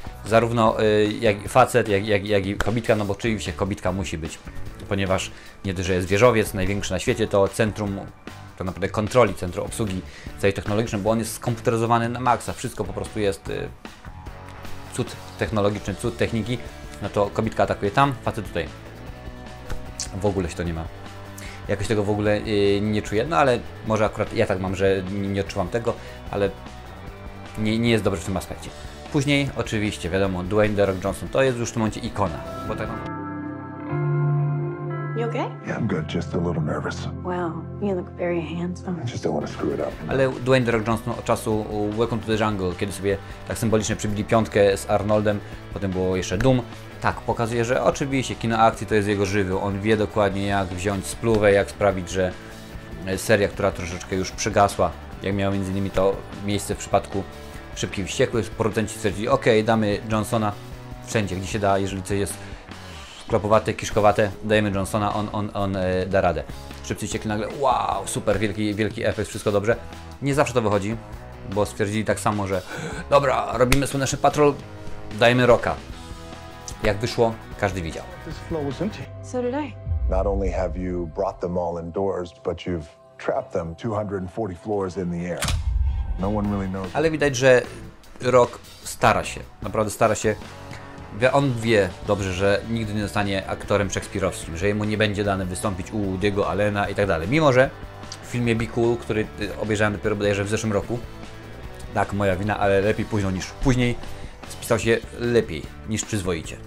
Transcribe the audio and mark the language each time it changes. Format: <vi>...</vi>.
<pl>Zarówno jak facet, jak i kobitka, no bo oczywiście kobitka musi być, ponieważ nie tylko, że jest wieżowiec największy na świecie, to centrum, to naprawdę kontroli, centrum obsługi całej technologicznej, bo on jest skomputeryzowany na maksa, wszystko po prostu jest cud technologiczny, cud techniki, no to kobitka atakuje tam, facet tutaj. W ogóle się to nie ma. Jakoś tego w ogóle nie czuję, no ale może akurat ja tak mam, że nie odczuwam tego, ale nie jest dobrze w tym aspekcie. Później oczywiście, wiadomo, Dwayne The Rock Johnson to jest już w tym momencie ikona, bo tak.</pl> <en>You okay? Yeah, I'm good. Just a little nervous. Wow, you look very handsome. I just don't want to screw it up. You know?</en> <pl>Ale Dwayne The Rock Johnson od czasu Welcome to the Jungle, kiedy sobie tak symbolicznie przybili piątkę z Arnoldem, potem było jeszcze Doom, tak, pokazuje, że oczywiście kino akcji to jest jego żywioł. On wie dokładnie, jak wziąć spluwę, jak sprawić, że seria, która troszeczkę już przygasła, jak miała między innymi to miejsce w przypadku Szybki Wściekły, producenci stwierdzili, okej, damy Johnsona wszędzie, gdzie się da, jeżeli coś jest klopowate, kiszkowate, dajemy Johnsona, on da radę. Szybcy Wściekli nagle, wow, super, wielki efekt, wszystko dobrze. Nie zawsze to wychodzi, bo stwierdzili tak samo, że dobra, robimy Słoneczny Patrol, dajemy Rocka. Jak wyszło, każdy widział.</pl> <en>Not only have you brought them all indoors, but you've trapped them 240 floors in the air. No one really knows.</en> <pl>Ale widać, że Rock stara się, naprawdę stara się. On wie dobrze, że nigdy nie zostanie aktorem szekspirowskim, że jemu nie będzie dane wystąpić u Diego Allena i tak dalej. Mimo że w filmie Be Cool, który obejrzałem dopiero bodajże w zeszłym roku, tak, moja wina, ale lepiej późno niż później, spisał się lepiej niż przyzwoicie.</pl>